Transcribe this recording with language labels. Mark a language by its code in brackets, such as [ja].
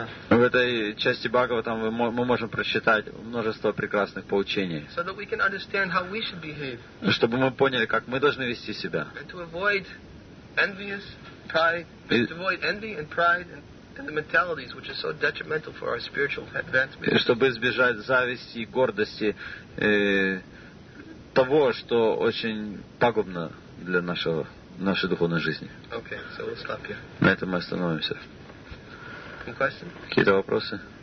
[ru] В этой части Бхагаватам мы можем прочитать множество прекрасных поучений, [en] so that we can understand how we should behave, [ru] чтобы мы поняли, как мы должны вести себя. [en] And to avoid envious pride, to avoid envy and pride and and the mentalities which are so detrimental for our spiritual advancement. [ru] И чтобы избежать зависти и гордости, того, что очень пагубно для нашей духовной жизни. [en] Okay, so we'll stop here. [ru] На этом мы остановимся. Какие-то вопросы?